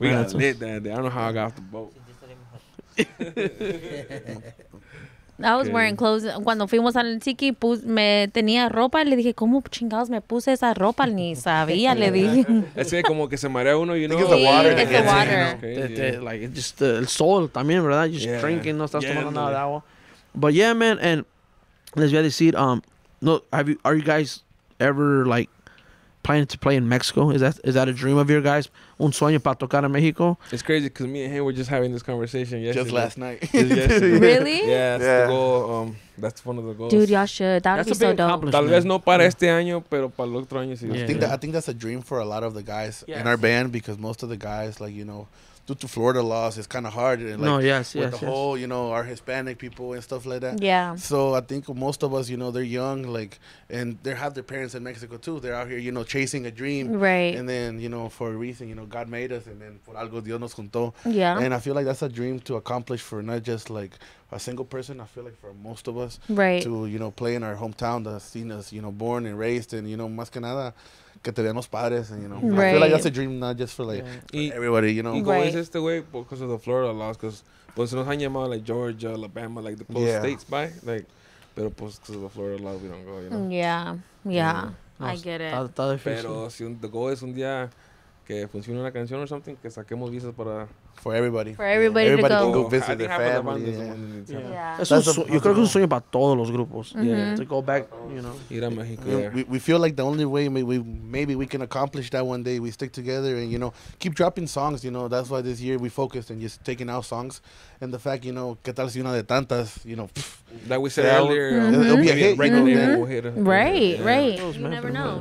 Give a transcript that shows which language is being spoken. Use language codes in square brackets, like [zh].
[en] We got lit that day. I don't know how I got off the boat. I was wearing clothes [es] cuando fuimos al tiki, me tenía ropa y le dije, ¿cómo chingados me puse esa ropa? Ni sabía, le dije. Es que como que se marea uno, [en] you know. It's the water. It's the water. Like just the sol [es] también, ¿verdad? [en] Just drinking, [es] no estás tomando nada de agua. [en] But yeah, man, and [es] les voy a decir, [en] are you guys ever like planning to play in Mexico. Is that a dream of your guys? [es] Un sueño para tocar en México? [en] It's crazy because me and him were just having this conversation yesterday. Just last night. Really? Yeah, that's the goal. That's one of the goals. Dude, y'all should. That would be so dope. [es] Tal vez no para este año, pero para el otro año. Sí. [en] I think that's a dream for a lot of the guys in our band because most of the guys, like, you know, due to Florida laws, it's kind of hard. And, like, with the whole, you know, our Hispanic people and stuff like that. Yeah. So I think most of us, you know, they're young, like, and they have their parents in Mexico, too. They're out here, you know, chasing a dream. Right. And then, you know, for a reason, you know, God made us, and then [es] por algo Dios nos juntó. [en] Yeah. And I feel like that's a dream to accomplish for not just, like, a single person. I feel like for most of us. Right. To, you know, play in our hometown, the scene us, you know, born and raised, and, you know, [es] más que nada, que te vean los padres, [en] you know. Right. I feel like that's a dream, not just for, like, for everybody, you know. [es] Y como dice este güey, [en] because of the Florida laws, because [es] pues nos han llamado, [en] like, Georgia, Alabama, like, the close states by, like, [es] pero pues [en] because of the Florida laws, we don't go, you know. Yeah. I get it. [es] Está difícil. Pero si [en] the goal [es] es un día que funcione una canción [en] or something, [es] que saquemos visas para... [en] For everybody. For everybody, yeah. Everybody to go. Everybody can go visit their family. Yeah. [es] Yo creo que es un sueño para todos los grupos. [en] Mm-hmm. Yeah. To go back, you know. [es] Ir a México. [en] We feel like the only way maybe we can accomplish that one day, we stick together and, you know, keep dropping songs, you know. That's why this year we focused on just taking out songs. And the fact, you know, [es] que tal si una de tantas, [en] you know. That we said earlier. It'll be a hit. Right. You never know.